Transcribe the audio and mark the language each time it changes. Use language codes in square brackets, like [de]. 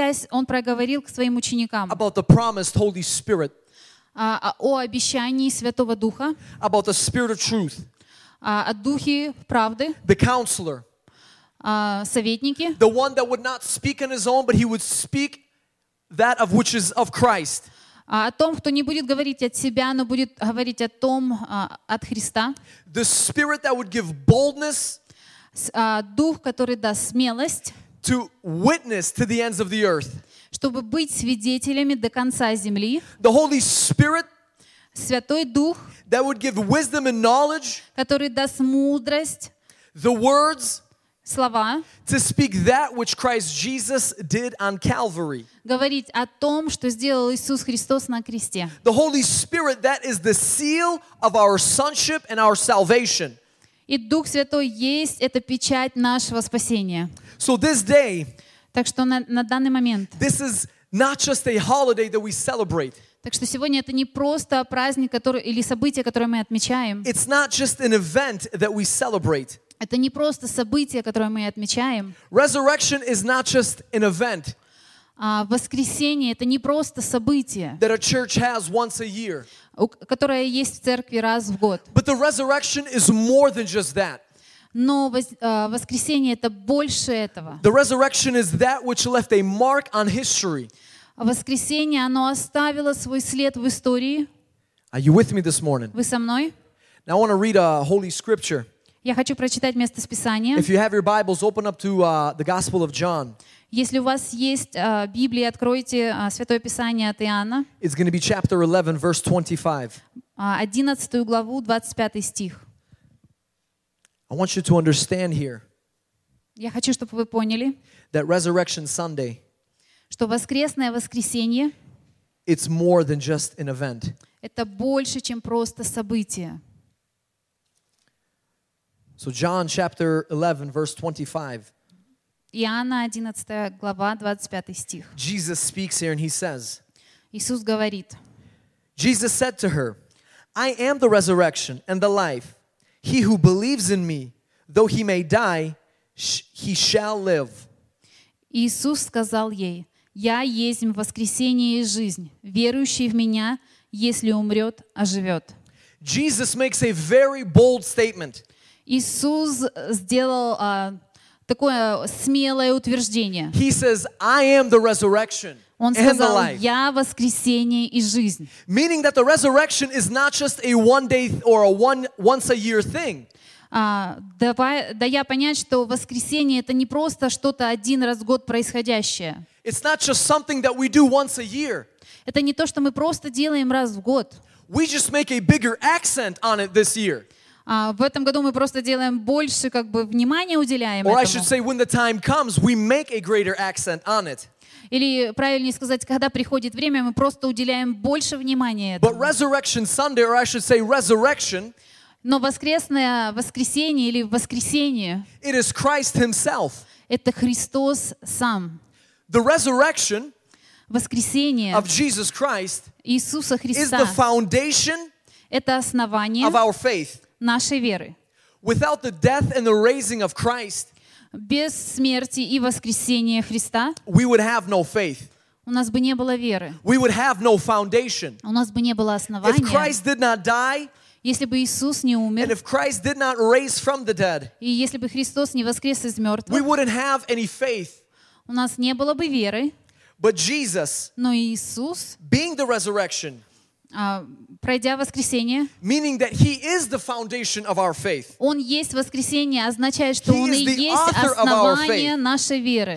[ru] Он проговорил к своим ученикам. [en] About the promised Holy Spirit. [ru] О обещании Святого Духа. [en] About the Spirit of Truth. [ru] О Духе правды. [en] The Counselor. [ru] Советники. [en] The one that would not speak on his own, but he would speak that of which is of Christ. [ru] О том, кто не будет говорить от себя, но будет говорить о том, от Христа. [en] The Spirit that would give boldness. [ru] Дух, который даст смелость. [en] To witness to the ends of the earth. [ru] Чтобы быть свидетелями до конца земли. [en] The Holy Spirit. [ru] Святой Дух. [en] That would give wisdom and knowledge. [ru] Который даст мудрость. [en] The words. [ru] Слова. [en] To speak that which Christ Jesus did on Calvary. [ru] Говорить о том, что сделал Иисус Христос на кресте. [en] The Holy Spirit, that is the seal of our sonship and our salvation. [ru] И Дух Святой есть, это печать нашего спасения. [en] So this day, [ru] так что на данный момент, [en] this is not just a holiday that we celebrate. [ru] Так что сегодня это не просто праздник, который, или событие, которое мы отмечаем. [en] It's not just an event that we celebrate. [ru] Это не просто событие, которое мы отмечаем. [en] Resurrection is not just an event. [ru] Воскресение — это не просто событие, [en] that a church has once a year. [ru] Которое есть в церкви раз в год. [en] But the resurrection is more than just that. [ru] Но воскресение — это больше этого. [en] The resurrection is that which left a mark on history. [ru] Воскресение, оно оставило свой след в истории. [en] Are you with me this morning? [ru] Вы со мной? [en] Now I want to read a holy scripture. [ru] Я хочу прочитать место из Писания. [en] If you have your Bibles, open up to the Gospel of John. [ru] Если у вас есть Библия, откройте Святое Писание от Иоанна. [en] It's going to be chapter 11, verse 25. [ru] 11 главу, 25 стих. [en] I want you to understand here. [ru] Я хочу, чтобы вы поняли. [en] That Resurrection Sunday. [ru] Что воскресное воскресенье. [en] It's more than just an event. [ru] Это больше, чем просто событие. [en] So John chapter 11, verse 25. [ru] Иоанна 11 глава, 25 стих. [en] Jesus speaks here and he says. [ru] Иисус говорит. [en] Jesus said to her, I am the resurrection and the life. He who believes in me, though he may die, he shall live. [ru] Иисус сказал ей, Я есть воскресение и жизнь. Верующий в меня, если умрет, оживет. [en] Jesus makes a very bold statement. [ru] Иисус сделал такое смелое утверждение. [en] He says, I am the resurrection [ru] Он сказал, Я воскресение и жизнь. [en] Meaning that the resurrection is not just a one day or a one once a year thing. [ru] Дая понять, что воскресение — это не просто что-то один раз в год происходящее. [en] It's not just something that we do once a year. [ru] Это не то, что мы просто делаем раз в год. [en] We just make a bigger accent on it this year. [ru] В этом году мы просто делаем больше, как бы, внимания уделяем [en] Or [ru] этому. [en] I should say, when the time comes, we make a greater accent on it. [ru] Или, правильнее сказать, когда приходит время, мы просто уделяем больше внимания этому. [en] But Resurrection Sunday, or I should say, Resurrection, [ru] Но воскресное воскресенье или воскресение, [en] it is Christ himself. [ru] Это Христос сам. [en] The resurrection [ru] воскресение [en] of Jesus Christ [ru] Иисуса Христа [en] is the foundation [ru] это основание [en] of our faith. [ru] Нашей веры. [en] Without the death and the raising of Christ, [ru] без смерти и воскресения Христа, [en] we would have no faith. [ru] У нас бы не было веры. [en] We would have no foundation. [ru] У нас бы не было основания. [en] If Christ did not die, [ru] если бы Иисус не умер, [en] and if Christ did not raise from the dead, [ru] и если бы Христос не воскрес из мертвых, [en] we wouldn't have any faith. [ru] У нас не было бы веры. [en] But Jesus, [ru] но Иисус, [en] being the resurrection, [ru] пройдя воскресение, [en] meaning that he is the foundation of our faith. [ru] Он есть воскресение, означает, что он и есть основание нашей веры.